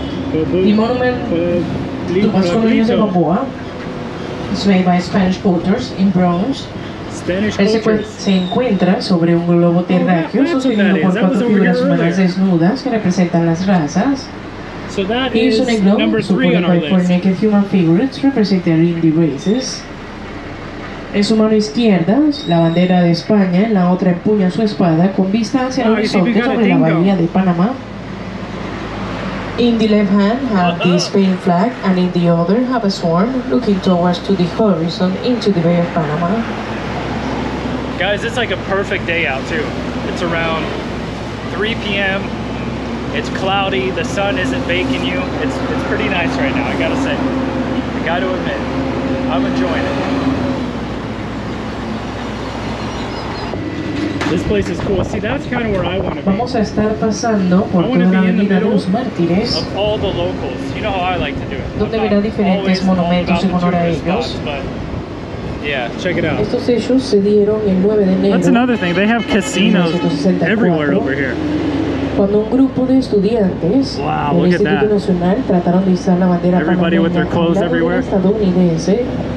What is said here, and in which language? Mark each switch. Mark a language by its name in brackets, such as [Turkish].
[English] The monument to las columnas de Balboa is made by Spanish sculptors in bronze. Spanish sculptors. [Spanish] Se encuentra sobre un globo terráqueo sostenido por cuatro figuras humanas desnudas que representan las razas. [English] So that is number three on our list. For naked human figures representing the races. [Spanish] En su mano izquierda, la bandera de España, en la otra empuña su espada con vista hacia el horizonte sobre la bahía de Panamá. [English] In the left hand have the Spain flag, and in the other have a swan looking towards to the horizon into the Bay of Panama. Guys, it's like a perfect day out too. It's around 3 p.m. It's cloudy, the sun isn't baking you. It's pretty nice right now, I gotta say. I gotta admit, I'm enjoying it. This place is cool. See, that's kind of where I want to be. [Spanish] Vamos a estar pasando por toda la avenida Los Mártires. [English] Of all the locals. You know how I like to do it. [Spanish] Donde verá diferentes monumentos en honor a ellos. [English] Yeah, check it out. [Spanish] Estos hechos se dieron el 9 de enero. [English] That's another thing. They have casinos everywhere over here. [Spanish] Cuando un grupo de estudiantes del Instituto Nacional trataron de izar la bandera estadounidense.